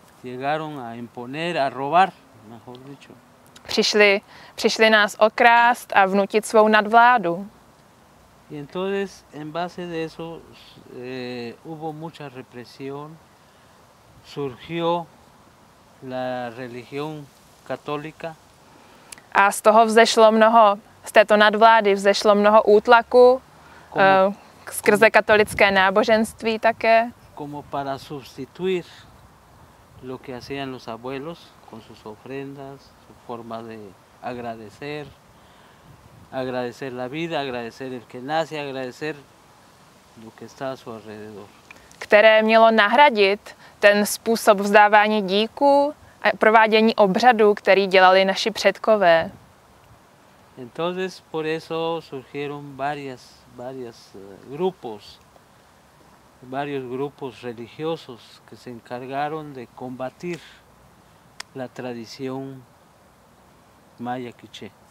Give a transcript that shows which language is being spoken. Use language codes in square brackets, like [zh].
[es] Llegaron a imponer, a robar, mejor dicho. [cs] Přišli nás okrást a vnutit svou nadvládu. [es] Y entonces, en base de eso, hubo mucha represión. Surgió la religión católica. [cs] A z toho vzešlo mnoho, z této nadvlády vzešlo mnoho útlaku, skrze katolické náboženství také. [es] Como para sustituir lo que hacían los abuelos con sus ofrendas, su forma de agradecer la vida, agradecer el que nace, agradecer lo que está a su alrededor. [cs] Které mělo nahradit ten způsob vzdávání díků a provádění obřadů, který dělali naši předkové. [es] Entonces por eso surgieron varias grupos. Varios grupos religiosos que se encargaron de combatir la tradición maya quiché.